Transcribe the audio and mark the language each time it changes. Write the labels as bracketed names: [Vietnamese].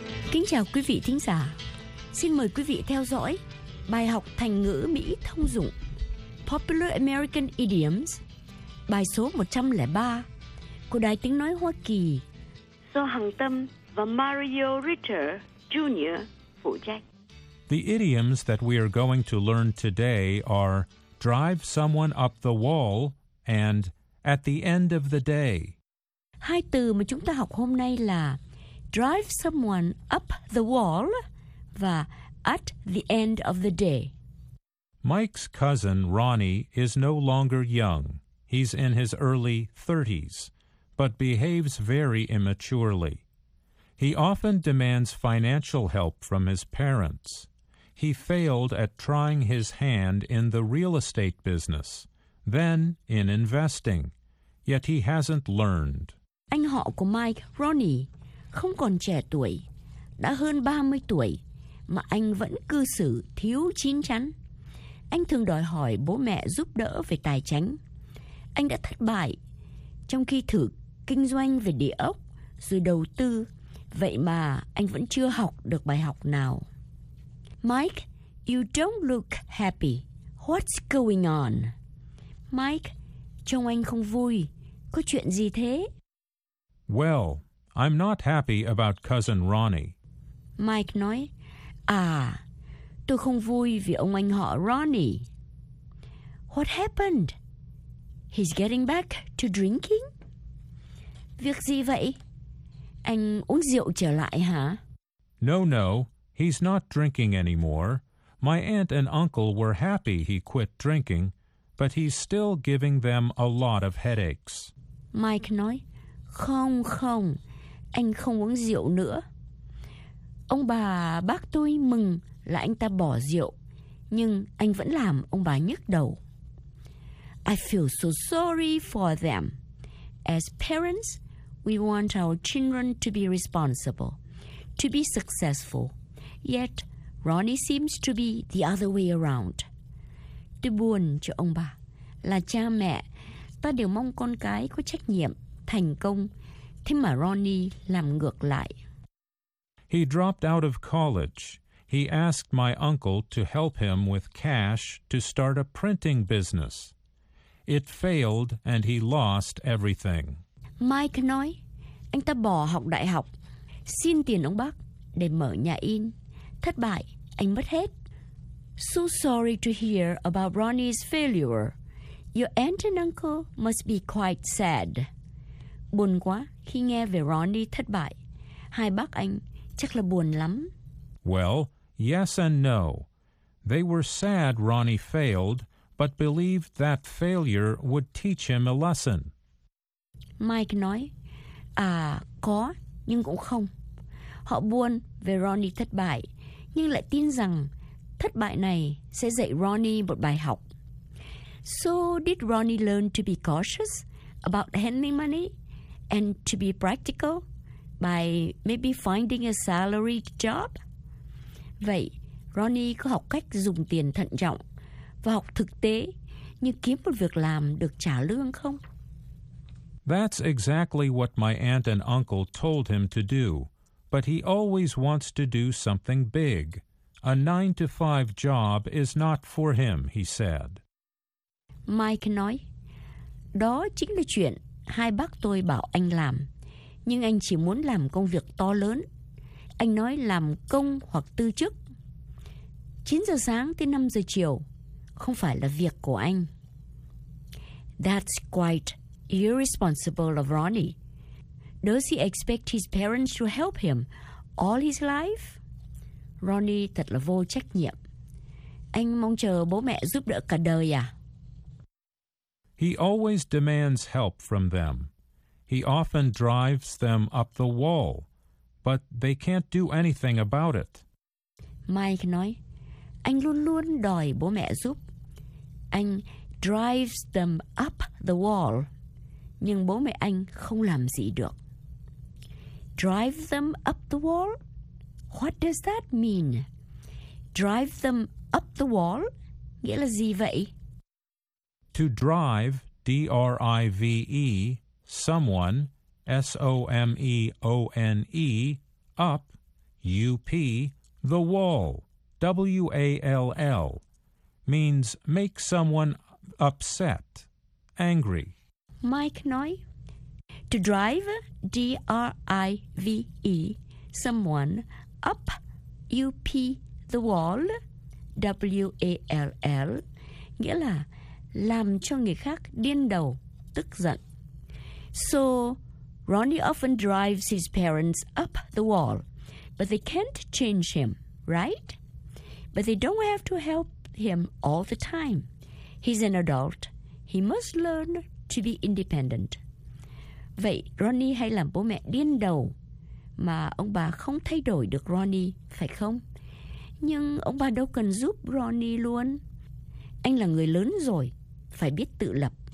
[Vietnamese] Kính chào quý vị thính giả. Xin mời quý vị theo dõi bài học thành ngữ Mỹ thông dụng Popular American Idioms, bài số 103 của Đài Tiếng Nói Hoa Kỳ. Do Hằng Tâm và Mario Ritter junior phụ trách. [English] The idioms that we are going to learn today are drive someone up the wall and at the end of the day. [Vietnamese] Hai từ mà chúng ta học hôm nay là [English] drive someone up the wall [Vietnamese] và [English] at the end of the day. Mike's cousin Ronnie is no longer young. He's in his early 30s, but behaves very immaturely. He often demands financial help from his parents. He failed at trying his hand in the real estate business, then in investing, yet he hasn't learned. [Vietnamese] Anh họ của Mike, Ronnie, không còn trẻ tuổi, đã hơn 30 tuổi, mà anh vẫn cư xử thiếu chín chắn. Anh thường đòi hỏi bố mẹ giúp đỡ về tài chính. Anh đã thất bại trong khi thử kinh doanh về địa ốc rồi đầu tư, vậy mà anh vẫn chưa học được bài học nào. [English] Mike, you don't look happy. What's going on? [Vietnamese] Mike, trông anh không vui. Có chuyện gì thế? [English] Well, I'm not happy about cousin Ronnie. [Vietnamese] Mike nói, à, tôi không vui vì ông anh họ Ronnie. [English] What happened? He's getting back to drinking? [Vietnamese] Việc gì vậy? Anh uống rượu trở lại hả? [English] No, no. He's not drinking anymore. My aunt and uncle were happy he quit drinking, but he's still giving them a lot of headaches. [Vietnamese] Mike nói, không, không, anh không uống rượu nữa. Ông bà, bác tôi mừng là anh ta bỏ rượu, nhưng anh vẫn làm ông bà nhức đầu. [English] I feel so sorry for them. As parents, we want our children to be responsible, to be successful. Yet, Ronnie seems to be the other way around. [Vietnamese] Tôi buồn cho ông bà. Là cha mẹ, ta đều mong con cái có trách nhiệm, thành công. Thế mà Ronnie làm ngược lại. [English] He dropped out of college. He asked my uncle to help him with cash to start a printing business. It failed and he lost everything. [Vietnamese] Mike nói, anh ta bỏ học đại học, xin tiền ông bác để mở nhà in. Thất bại, anh mất hết. [English] So sorry to hear about Ronnie's failure. Your aunt and uncle must be quite sad. [Vietnamese] Buồn quá khi nghe về Ronnie thất bại. Hai bác anh chắc là buồn lắm. [English] Well, yes and no. They were sad Ronnie failed, but believed that failure would teach him a lesson. [Vietnamese] Mike nói, à, có, nhưng cũng không. Họ buồn về Ronnie thất bại, nhưng lại tin rằng thất bại này sẽ dạy Ronnie một bài học. [English] So did Ronnie learn to be cautious about handling money and to be practical by maybe finding a salary job? [Vietnamese] Vậy, Ronnie có học cách dùng tiền thận trọng và học thực tế như kiếm một việc làm được trả lương không? [English] That's exactly what my aunt and uncle told him to do. But he always wants to do something big. A 9-to-5 job is not for him, he said. [Vietnamese] Mike nói, đó chính là chuyện hai bác tôi bảo anh làm. Nhưng anh chỉ muốn làm công việc to lớn. Anh nói làm công hoặc tư chức. 9 giờ sáng tới 5 giờ chiều không phải là việc của anh. [English] That's quite irresponsible of Ronnie. Does he expect his parents to help him all his life? [Vietnamese] Ronnie thật là vô trách nhiệm. Anh mong chờ bố mẹ giúp đỡ cả đời à? [English] He always demands help from them. He often drives them up the wall, but they can't do anything about it. [Vietnamese] Mike nói, anh luôn luôn đòi bố mẹ giúp. Anh [English] drives them up the wall, [Vietnamese] nhưng bố mẹ anh không làm gì được. [English] Drive them up the wall? What does that mean? Drive them up the wall? [Vietnamese] Nghĩa là gì vậy? [English] To drive, D-R-I-V-E, someone, S-O-M-E-O-N-E, up, U-P, the wall, W-A-L-L, means make someone upset, angry. [Vietnamese] Mike nói, [English] to drive, D-R-I-V-E, someone up UP, the wall, W-A-L-L, [Vietnamese] nghĩa là làm cho người khác điên đầu, tức giận. [English] So, Ronnie often drives his parents up the wall, but they can't change him, right? But they don't have to help him all the time. He's an adult. He must learn to be independent. [Vietnamese] Vậy, Ronnie hay làm bố mẹ điên đầu mà ông bà không thay đổi được Ronnie, phải không? Nhưng ông bà đâu cần giúp Ronnie luôn. Anh là người lớn rồi, phải biết tự lập.